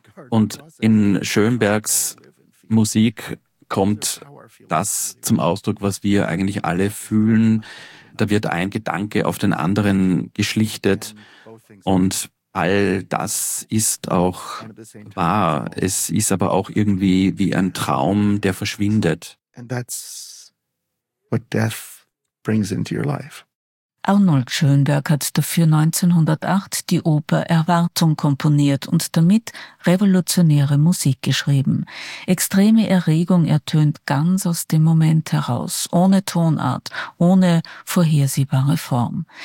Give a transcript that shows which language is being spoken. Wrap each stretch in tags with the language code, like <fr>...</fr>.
<de>Und in Schönbergs Musik kommt das zum Ausdruck, was wir eigentlich alle fühlen. Da wird ein Gedanke auf den anderen geschlichtet und all das ist auch wahr. Es ist aber auch irgendwie wie ein Traum, der verschwindet.</de> <en>And that's what death brings into your life.</en> <de>Arnold Schönberg hat dafür 1908 die Oper Erwartung komponiert und damit revolutionäre Musik geschrieben. Extreme Erregung ertönt ganz aus dem Moment heraus, ohne Tonart, ohne vorhersehbare Form.</de>